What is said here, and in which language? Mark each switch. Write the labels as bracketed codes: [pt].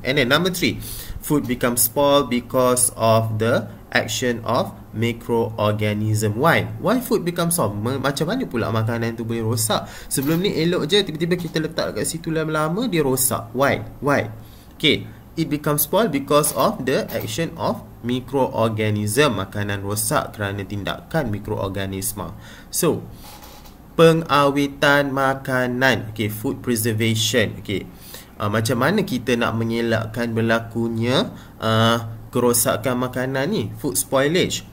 [en] And then number three, food becomes spoiled because of the action of microorganism. Why food becomes spoiled? [ms] Macam mana pula makanan itu boleh rosak? Sebelum ni elok je, tiba-tiba kita letak kat situ lama-lama, dia rosak. [en] Why? Okay, it becomes spoiled because of the action of microorganism. [ms] Makanan rosak kerana tindakan mikroorganisma. [en] So, [ms] pengawitan makanan, [en] okay, food preservation, okay, [ms] macam mana kita nak mengelakkan berlakunya kerosakan makanan ni, [en] food spoilage?